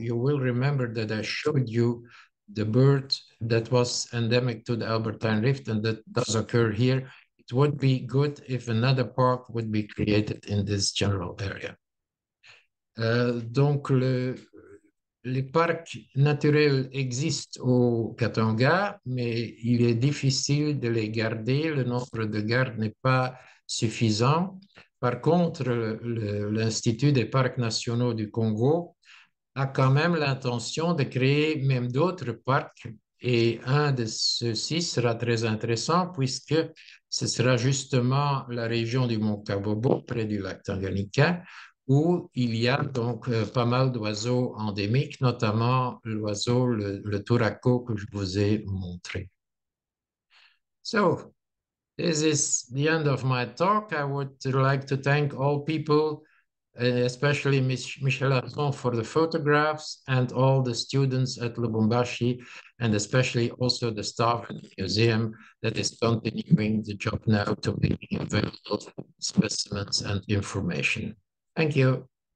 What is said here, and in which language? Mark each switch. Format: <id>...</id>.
<en>You will remember that I showed you the bird that was endemic to the Albertine Rift and that does occur here. It would be good if another park would be created in this general area.</en> <fr>Donc, les parcs naturels existent au Katanga, mais il est difficile de les garder. Le nombre de gardes n'est pas suffisant. Par contre, l'Institut des parcs nationaux du Congo a quand même l'intention de créer même d'autres parcs, et un de ceux-ci sera très intéressant puisque ce sera justement la région du Mont Kabobo près du lac Tanganyika où il y a donc pas mal d'oiseaux endémiques, notamment l'oiseau, le touraco que je vous ai montré.</fr> <en>So, this is the end of my talk. I would like to thank all people, especially Michel Arton for the photographs and all the students at Lubumbashi, and especially also the staff at the museum that is continuing the job now to bring available specimens and information. Thank you.</en>